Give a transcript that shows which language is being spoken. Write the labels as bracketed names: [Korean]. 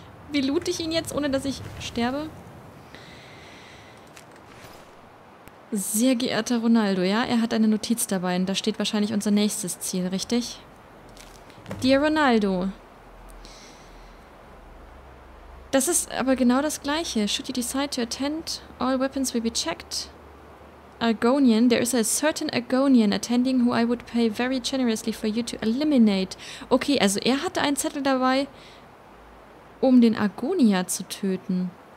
[German] Wie loot ich ihn jetzt, ohne dass ich sterbe? Sehr geehrter Ronaldo, ja? Er hat eine Notiz dabei und da steht wahrscheinlich unser nächstes Ziel, richtig? [English] Dear Ronaldo, [German] Das ist aber genau das gleiche. [English] Should you decide to attend, all weapons will be checked. Argonian, there is a certain Argonian attending who I would pay very generously for you to eliminate. [German] Okay, also er hatte einen Zettel dabei, um den Argonia zu töten.